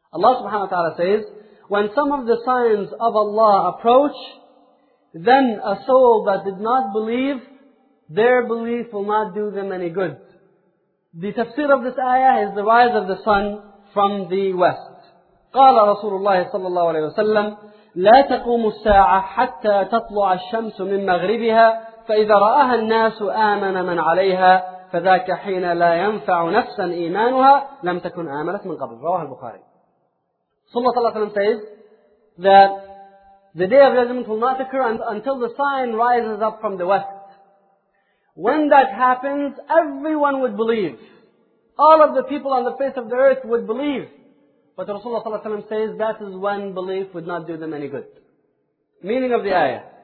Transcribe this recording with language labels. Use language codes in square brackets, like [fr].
[en] Allah subhanahu wa ta'ala says, when some of the signs of Allah approach, then a soul that did not believe, their belief will not do them any good. The tafsir of this ayah is the rise of the sun from the west. [ar] قَالَ رَسُولُ اللَّهِ صَلَّى اللَّهُ عَلَيْهِ وَسَلَّمْ لا تقوم الساعة حتى تطلع الشمس من مغربها فإذا رآها الناس آمن من عليها فذاك حين لا ينفع نفسا إيمانها لم تكن آمنت من قبل. رواه البخاري. صلى الله عليه وسلم [en] says that the day of judgment will not occur until the sign rises up from the west. When that happens, everyone would believe. All of the people on the face of the earth would believe. But Rasulullah ﷺ says that is when belief would not do them any good. Meaning of the ayah.